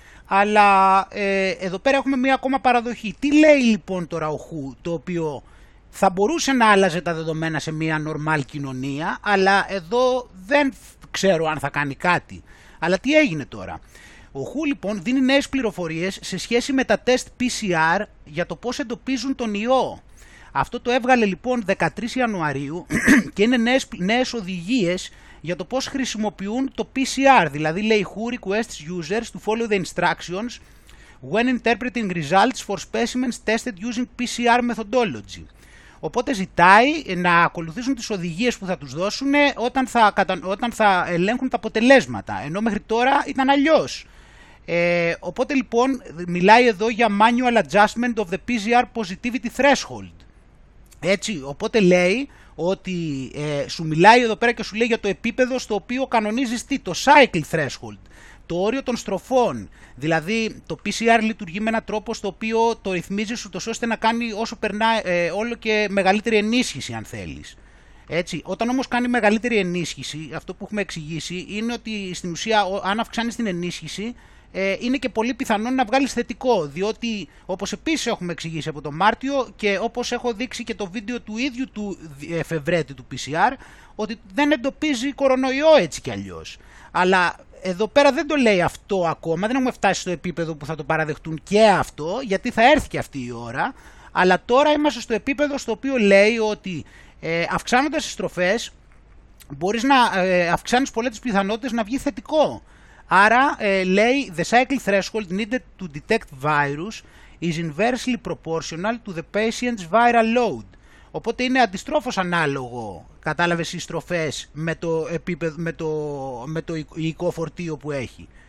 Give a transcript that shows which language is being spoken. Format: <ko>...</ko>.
<el>Αλλά εδώ πέρα έχουμε μία ακόμα παραδοχή. Τι λέει λοιπόν τώρα ο Χου, το οποίο θα μπορούσε να άλλαζε τα δεδομένα σε μία νορμάλ κοινωνία, αλλά εδώ δεν ξέρω αν θα κάνει κάτι. Αλλά τι έγινε τώρα. Ο Χου λοιπόν δίνει νέες πληροφορίες σε σχέση με τα τεστ PCR για το πώς εντοπίζουν τον ιό. Αυτό το έβγαλε λοιπόν 13 Ιανουαρίου και είναι νέες οδηγίες για το πώς χρησιμοποιούν το PCR, δηλαδή λέει</el> <en>Who requests users to follow the instructions when interpreting results for specimens tested using PCR methodology.</en> <el>Οπότε ζητάει να ακολουθήσουν τις οδηγίες που θα τους δώσουν όταν θα ελέγχουν τα αποτελέσματα, ενώ μέχρι τώρα ήταν αλλιώς. Οπότε λοιπόν μιλάει εδώ για</el> <en>manual adjustment of the PCR positivity threshold.</en> <el>Έτσι, οπότε λέει ότι σου μιλάει εδώ πέρα και σου λέει για το επίπεδο στο οποίο κανονίζεις τι, το cycle threshold, το όριο των στροφών, δηλαδή το PCR λειτουργεί με έναν τρόπο στο οποίο το ρυθμίζεις ώστε να κάνει όσο περνά όλο και μεγαλύτερη ενίσχυση αν θέλεις. Έτσι, όταν όμως κάνει μεγαλύτερη ενίσχυση, αυτό που έχουμε εξηγήσει είναι ότι στην ουσία αν αυξάνεις την ενίσχυση, είναι και πολύ πιθανό να βγάλεις θετικό, διότι όπως επίσης έχουμε εξηγήσει από τον Μάρτιο και όπως έχω δείξει και το βίντεο του ίδιου του Φεβρέτη του PCR, ότι δεν εντοπίζει κορονοϊό έτσι κι αλλιώς. Αλλά εδώ πέρα δεν το λέει αυτό ακόμα, δεν έχουμε φτάσει στο επίπεδο που θα το παραδεχτούν και αυτό, γιατί θα έρθει και αυτή η ώρα, αλλά τώρα είμαστε στο επίπεδο στο οποίο λέει ότι αυξάνοντας τις στροφές, μπορείς να αυξάνεις πολλές τις πιθανότητες να βγει θετικό. Άρα, λέει,</el> <en>the cycle threshold needed to detect virus is inversely proportional to the patient's viral load.</en> <el>Οπότε είναι αντιστρόφως ανάλογο, κατάλαβες, οι στροφές με το επίπεδο, με το υλικό φορτίο που έχει.</el>